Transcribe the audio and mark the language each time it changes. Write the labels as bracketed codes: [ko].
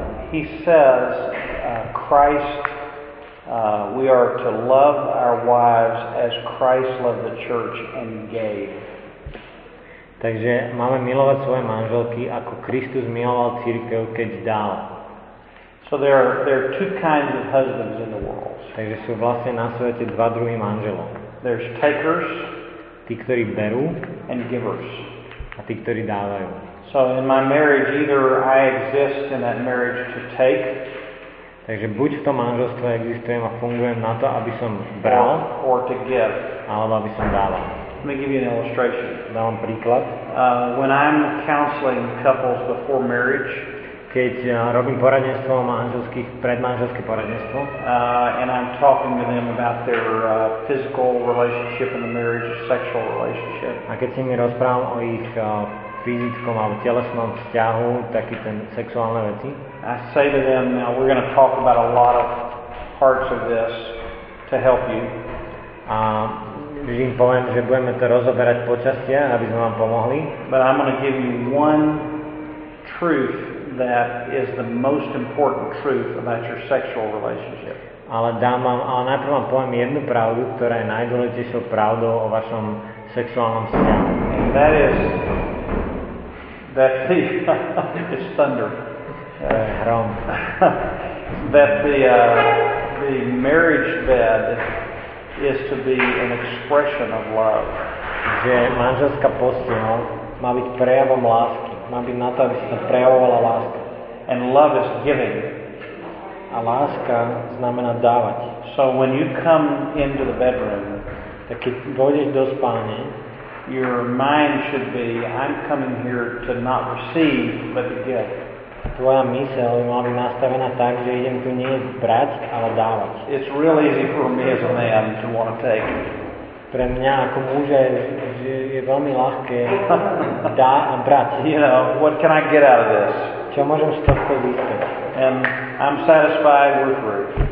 [en] He says Christ, we are to love our wives as Christ loved the church and gave. [sk] Takže máme milovať svoje manželky, ako Kristus miloval cirkev, keď dal. [en] So there are two kinds of husbands in the world. [sk] Takže sú vlastne na svete dva druhy manželov. [en] There's takers, [sk] tí, ktorí berú, [en] and givers, [sk] a tí, ktorí dávajú. [en] So in my marriage either I exist in that marriage to take. [sk] Takže buď v tom manželstve existujem a fungujem na to, aby som bral, [en] or to give, [sk] alebo aby som dával. [en] Let me give you an illustration. [sk] Dám vám príklad. [en] When I'm counseling couples before marriage, [sk] keď robím poradenstvo manželských, predmanželské poradenstvo, [en] and I'm talking to them about their physical relationship in the marriage, sexual relationship. [sk] A keď si mi rozprávam o ich fyzickom alebo telesnom vzťahu, taký ten sexuálne veci. [en] I say to them, now we're going to talk about a lot of parts of this to help you. [sk] A vždy im poviem, že budeme to rozoberať po častia, aby sme vám pomohli. [en] But I'm going to give you one truth that is the most important truth about your sexual relationship. [sk] Ale najprv vám poviem jednu pravdu, ktorá je najdôležitejšou pravdou o vašom sexuálnom vzťahu. [en] And that is that the it's thunder. [sk] Hrom. [en] That the marriage bed is to be an expression of love. [sk] Že manželská posteľ má byť prejavom lásky. Má byť na to, aby sa prejavovala láska. [en] And love is giving. [sk] A láska znamená dávať. [en] So when you come into the bedroom, [sk] tak keď vôjdeš do spálne, [en] your mind should be, I'm coming here to not receive, but to give. [sk] Tvoja myseľ by mala byť nastavená tak, že idem tu nie brať, ale dávať. [en] It's real easy for me as a man to want to take. [sk] Pre mňa ako muža je veľmi ľahké dať a brať. [en] You know, what can I get out of this? [sk] Čo môžem z toho získať? [en] And I'm satisfied with fruit.